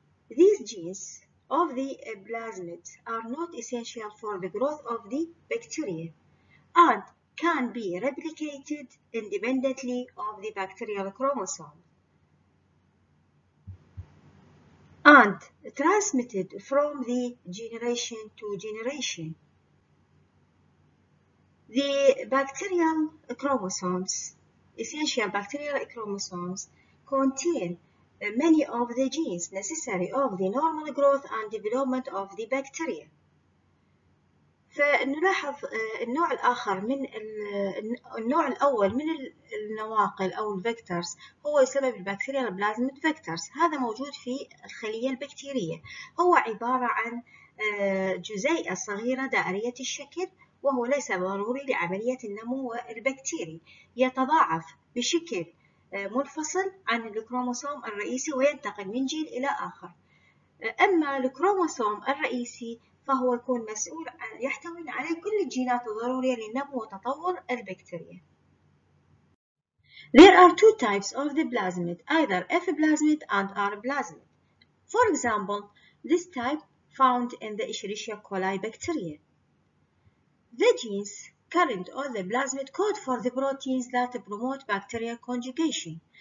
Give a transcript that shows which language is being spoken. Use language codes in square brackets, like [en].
[en] These genes of the plasmid are not essential for the growth of the bacteria and can be replicated independently of the bacterial chromosome and transmitted from the generation to generation. The bacterial chromosomes, essential bacterial chromosomes, contain many of the genes necessary of the normal growth and development of the bacteria. [ar] فنلاحظ النوع الآخر من النوع الأول من النواقل أو الفيكتورز هو يسمى بالبكتيريال بلازميد فيكتورز. هذا موجود في الخلية البكتيرية، هو عبارة عن جزيئة صغيرة دائرية الشكل، وهو ليس ضروري لعملية النمو البكتيري. يتضاعف بشكل منفصل عن الكروموسوم الرئيسي وينتقل من جيل إلى آخر. أما الكروموسوم الرئيسي فهو يكون مسؤول عن يحتوي على كل الجينات الضرورية للنمو وتطور البكتيريا. [en] There are two types of the plasmid, either F plasmid and R plasmid. For example, this type found in the Escherichia coli bacteria. The genes current on the plasmid code for the proteins that promote bacteria conjugation.